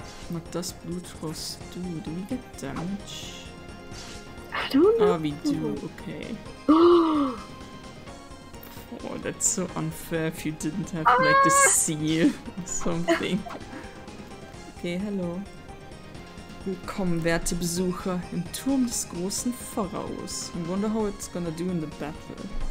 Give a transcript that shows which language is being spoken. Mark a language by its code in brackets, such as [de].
[de] Mag das Blutrost? [en] Do we get damage? Ah, we do, okay. Oh, that's so unfair if you didn't have like the seal or something. Okay, hello. [de] Willkommen, werte Besucher, im Turm des großen Pharaos. [en] I wonder how it's gonna do in the battle.